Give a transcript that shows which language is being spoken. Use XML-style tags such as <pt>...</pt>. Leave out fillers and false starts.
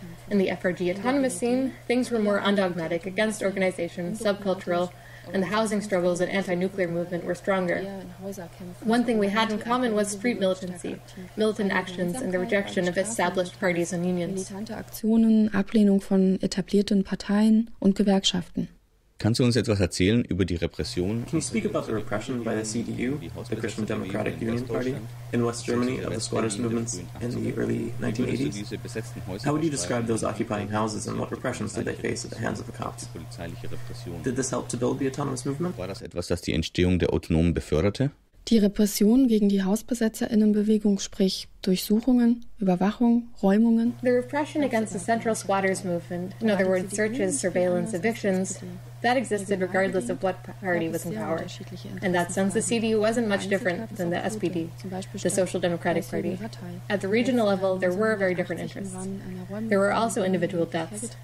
<en>In the FRG autonomous scene, things were more undogmatic, against organization, subcultural, and the housing struggles and anti-nuclear movement were stronger. One thing we had in common was street militancy, militant actions, and the rejection of established parties and unions.</en> <de>Ablehnung von etablierten Parteien und Gewerkschaften. Kannst du uns etwas erzählen über die Repression?</de> <en>Can you speak about the repression by the CDU, the Christian Democratic Union Party, in West Germany of the squatters' movements in the early 1980s? How would you describe those occupying houses and what repressions did they face at the hands of the cops? Did this help to build the autonomous movement?</en> <de>War das etwas, das die Entstehung der Autonomen beförderte? Die Repression gegen die HausbesetzerInnenbewegung, sprich Durchsuchungen, Überwachung, Räumungen.</de> <en>The repression against the central squatters' movement, in other words, searches, surveillance, evictions, that existed regardless of what party was in power. In that sense, the CDU wasn't much different than the SPD, the Social Democratic Party. At the regional level, there were very different interests. There were also individual deaths.</en>